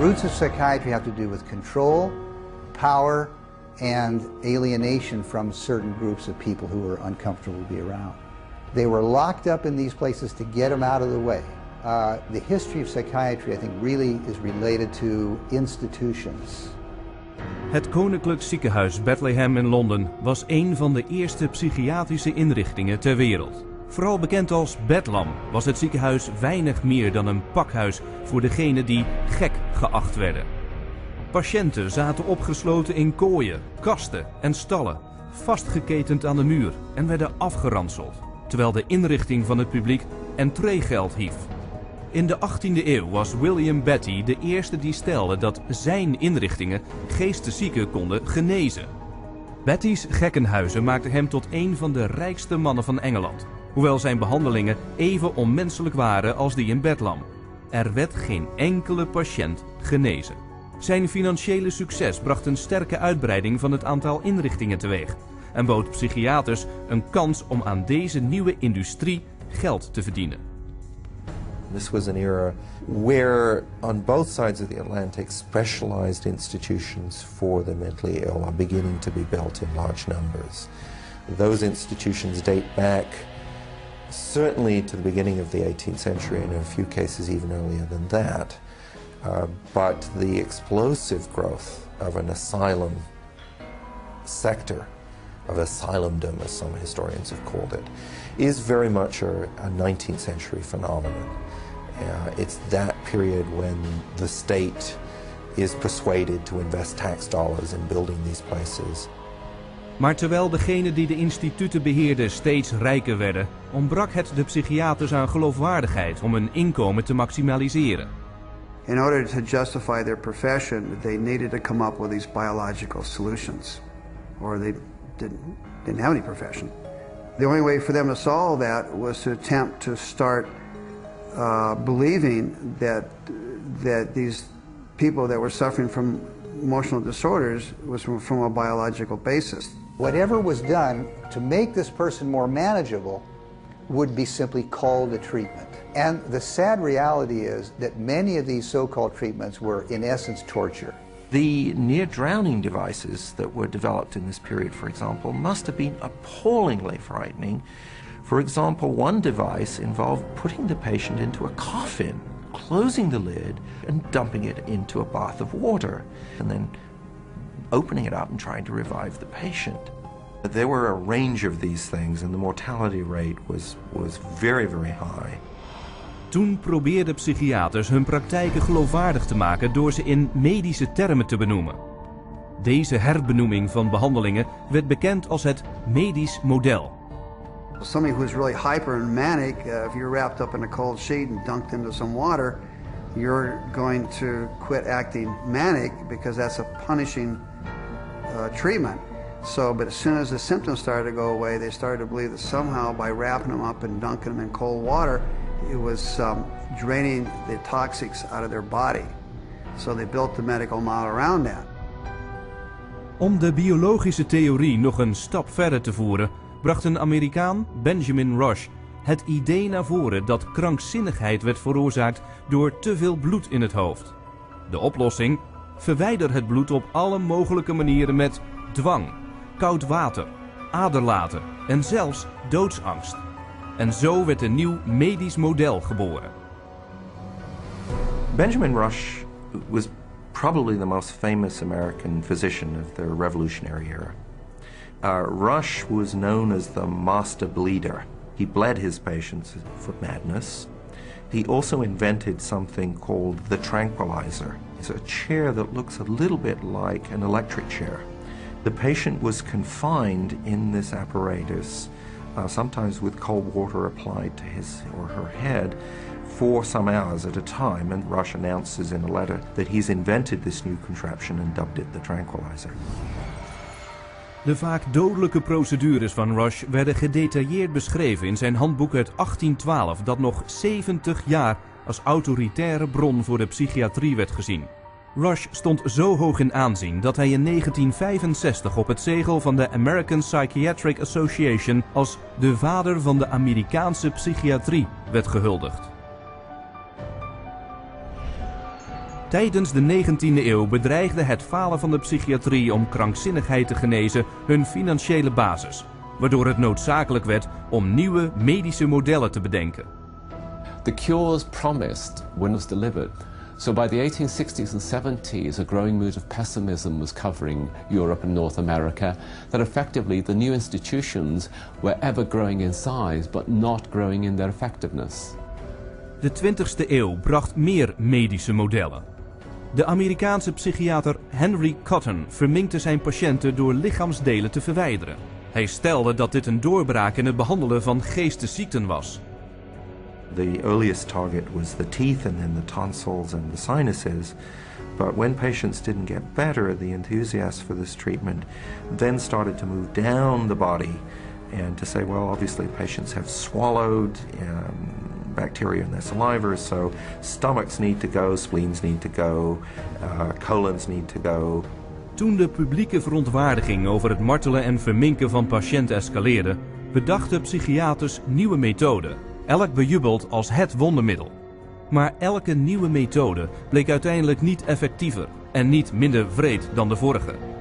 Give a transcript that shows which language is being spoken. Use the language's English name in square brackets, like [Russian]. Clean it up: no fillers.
[English] Psychiatry have to do with control, power, and alienation from certain groups of people who were uncomfortable to be around. They were locked up in these places to get them out of the way. The history of psychiatry, I think, really is related to institutions. [Dutch] Het Koninklijk Ziekenhuis Bethlehem in Londen was een van de eerste psychiatrische inrichtingen ter wereld. Vooral bekend als Bedlam was het ziekenhuis weinig meer dan een pakhuis voor degenen die gek geacht werden. Patiënten zaten opgesloten in kooien, kasten en stallen, vastgeketend aan de muur en werden afgeranseld, terwijl de inrichting van het publiek entreegeld hief. In de 18e eeuw was William Beatty de eerste die stelde dat zijn inrichtingen geesteszieken konden genezen. Beatty's gekkenhuizen maakten hem tot een van de rijkste mannen van Engeland. Hoewel zijn behandelingen even onmenselijk waren als die in Bedlam. Er werd geen enkele patiënt genezen. Zijn financiële succes bracht een sterke uitbreiding van het aantal inrichtingen teweeg. En bood psychiaters een kans om aan deze nieuwe industrie geld te verdienen. [English] This was an era where on both sides of the Atlantic specialized institutions for the mentally ill are beginning to be built in large numbers. Those institutions date back certainly to the beginning of the 18th century, and in a few cases even earlier than that. But the explosive growth of an asylum sector, of asylumdom, as some historians have called it, is very much a 19th century phenomenon. It's that period when the state is persuaded to invest tax dollars in building these places. [Dutch] Maar terwijl degenen die de instituten beheerden steeds rijker werden, ontbrak het de psychiaters aan geloofwaardigheid om hun inkomen te maximaliseren. [English] In order to justify their profession, they needed to come up with these biological solutions, or they didn't have any profession. The only way for them to solve that was to attempt to start believing that these people that were suffering from emotional disorders was from a biological basis. Whatever was done to make this person more manageable would be simply called a treatment. And the sad reality is that many of these so-called treatments were, in essence, torture. The near-drowning devices that were developed in this period, for example, must have been appallingly frightening. For example, one device involved putting the patient into a coffin, closing the lid and dumping it into a bath of water, and then opening it up and trying to revive the patient. There were a range of these things and the mortality rate was very, very high. [Dutch] Toen probeerden psychiaters hun praktijken geloofwaardig te maken door ze in medische termen te benoemen. Deze herbenoeming van behandelingen werd bekend als het medisch model. [English] Somebody who is really hyper and manic, if you're wrapped up in a cold sheet and dunked into some water, you're going to quit acting manic because that's a punishing treatment. So, but as soon as the symptoms started to go away, they started to believe that somehow by wrapping them up and dunking them in cold water, it was draining the toxics out of their body. So they built the medical model around that. [Dutch] Om de biologische theorie nog een stap verder te voeren, bracht een Amerikaan, Benjamin Rush, het idee naar voren dat krankzinnigheid werd veroorzaakt door te veel bloed in het hoofd. De oplossing? Verwijder het bloed op alle mogelijke manieren met dwang, koud water, aderlaten en zelfs doodsangst. En zo werd een nieuw medisch model geboren. [English] Benjamin Rush was probably the most famous American physician of the Revolutionary era. Rush was known as the master bleeder. He bled his patients for madness. He also invented something called the tranquilizer. It's a chair that looks a little bit like an electric chair. The patient was confined in this apparatus sometimes with cold water applied to his or her head, for some hours at a time. And Rush announces in a letter that he's invented this new contraption and dubbed it the tranquilizer. [Dutch] De vaak dodelijke procedures van Rush werden gedetailleerd beschreven in zijn handboek uit 1812, dat nog 70 jaar als autoritaire bron voor de psychiatrie werd gezien. Rush stond zo hoog in aanzien dat hij in 1965 op het zegel van de American Psychiatric Association als de vader van de Amerikaanse psychiatrie werd gehuldigd. Tijdens de 19e eeuw bedreigde het falen van de psychiatrie om krankzinnigheid te genezen hun financiële basis, waardoor het noodzakelijk werd om nieuwe medische modellen te bedenken. [English] The cures promised when was delivered. So by the 1860s and 70s, a growing mood of pessimism was covering Europe and North America, that effectively the new institutions were ever growing in size, but not growing in their effectiveness. [Dutch] De 20e eeuw bracht meer medische modellen. De Amerikaanse psychiater Henry Cotton verminkte zijn patiënten door lichaamsdelen te verwijderen. Hij stelde dat dit een doorbraak in het behandelen van geestesziekten was. [English] The earliest target was the teeth and then the tonsils and the sinuses. But when patients didn't get better, the enthusiasts for this treatment then started to move down the body and to say, well, obviously patients have swallowed bacteria in their saliva, so stomachs need to go, spleens need to go, colons need to go. [Dutch] Toen de publieke verontwaardiging over het martelen en verminken van patiënten escaleerde, bedachten psychiaters nieuwe methoden. Elk bejubeld als het wondermiddel. Maar elke nieuwe methode bleek uiteindelijk niet effectiever en niet minder wreed dan de vorige.